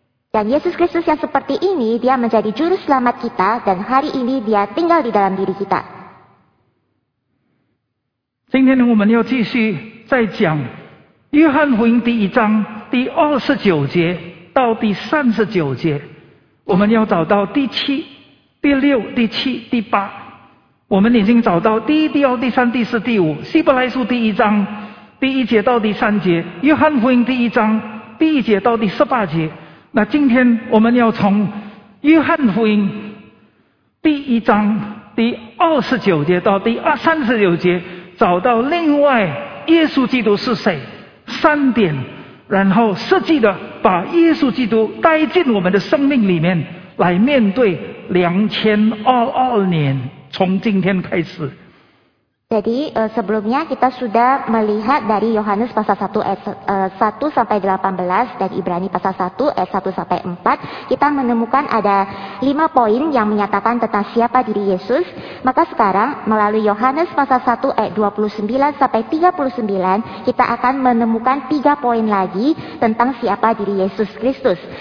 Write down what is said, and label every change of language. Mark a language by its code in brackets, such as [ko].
[id] Dan Yesus Kristus yang seperti ini, dia menjadi juru selamat kita dan hari ini dia tinggal di dalam diri kita. [zh] 今天我们要继续再讲约翰福音第一章第29节到第39节，我们要找到第七、第六、第七、第八，我们已经找到第一、第二、第三、第四、第五。希伯来书第一章第一节到第三节，约翰福音第一章第一节到第18节。那今天我们要从约翰福音第一章第29节到第39节找到另外耶稣基督是谁三点，然后实际的把耶稣基督带进我们的生命里面，来面对2022年，从今天开始。 [id] Jadi sebelumnya kita sudah melihat dari Yohanes pasal 1 ayat 1 sampai 18 dan Ibrani pasal 1 ayat 1 sampai 4, kita menemukan ada 5 poin yang menyatakan tentang siapa diri Yesus. Maka sekarang melalui Yohanes pasal 1 ayat 29 sampai 39, kita akan menemukan 3 poin lagi tentang siapa diri Yesus Kristus.